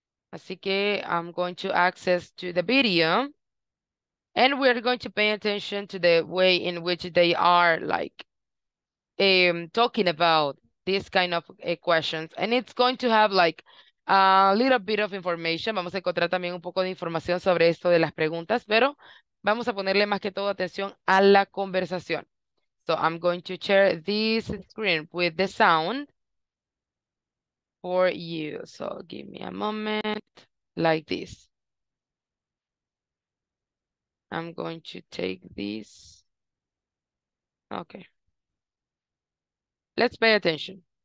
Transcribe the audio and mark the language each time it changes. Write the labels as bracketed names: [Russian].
[Spanish] Así que [English] I'm going to access to the video. And we are going to pay attention to the way in which they are like talking about these kind of questions. And it's going to have like a little bit of information. [Spanish] Vamos a encontrar también un poco de información sobre esto de las preguntas, pero vamos a ponerle más que todo atención a la conversación. [English] So I'm going to share this screen with the sound for you. So give me a moment like this. I'm going to take this. Okay. Let's pay attention.